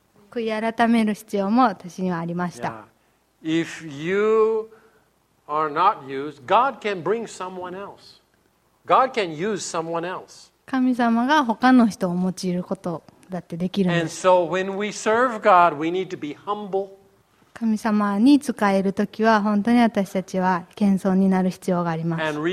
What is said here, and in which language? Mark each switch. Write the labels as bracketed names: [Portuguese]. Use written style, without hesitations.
[Japanese] 悔い改める必要も私にはありました。 [English] Yeah. If you are not used, God can bring someone else. God can use someone else. [Japanese] 神様が他の人を用いることだってできるんです。 [English] And so when we serve God, we need to be humble. [Japanese] 神様に仕えるときは本当に私たちは謙遜になる必要があります。